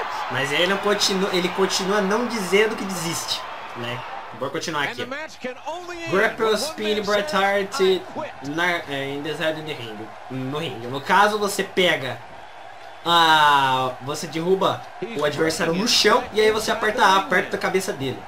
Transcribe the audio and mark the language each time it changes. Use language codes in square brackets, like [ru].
[pt] Mas ele não continua, ele continua não dizendo que desiste, né? Vou continuar aqui. [en] Grapple Spin Bret Hart in the side of the ring. [pt] No ringue. No caso, você pega a... você derruba o adversário no chão e aí você aperta A perto da cabeça dele.